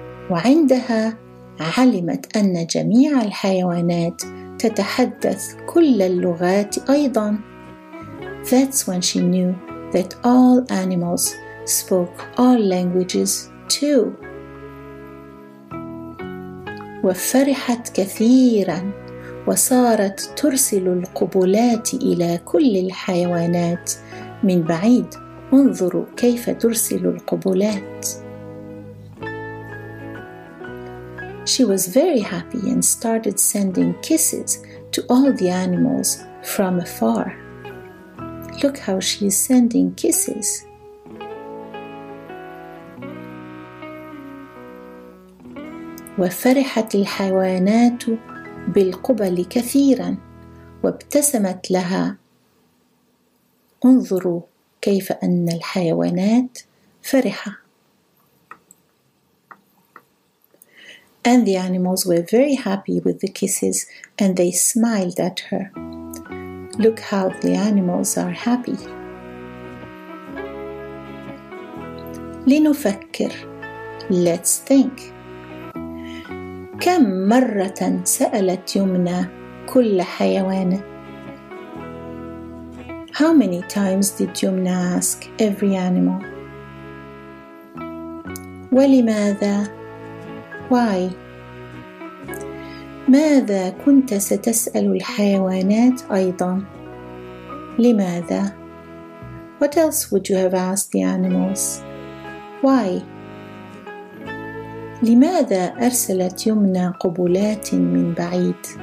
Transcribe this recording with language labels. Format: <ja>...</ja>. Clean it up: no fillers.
<ar>وعندها علمت أن جميع الحيوانات تتحدث كل اللغات أيضا.</ar> <en>That's when she knew that all animals spoke all languages too.</en> <ar>وفرحت كثيرا وصارت ترسل القبلات إلى كل الحيوانات من بعيد. انظروا كيف ترسل القبلات.</ar> <en>She was very happy and started sending kisses to all the animals from afar. Look how she is sending kisses.</en> <ar>وفرحت الحيوانات بالقبل كثيرا وابتسمت لها. انظروا كيف أن الحيوانات فرحة.</ar> <en>And the animals were very happy with the kisses and they smiled at her. Look how the animals are happy.</en> <ar>لنفكر.</ar> <en>Let's think.</en> <ar>كم مرة سألت يمنى كل حيوان؟</ar> <en>How many times did Yomna ask every animal?</en> <ar>ولماذا?</ar> <en>Why?</en> <ar>ماذا كنت ستسأل الحيوانات أيضا؟ لماذا؟</ar> <en>What else would you have asked the animals? Why?</en> <ar>لماذا أرسلت يمنى قبلات من بعيد؟</ar>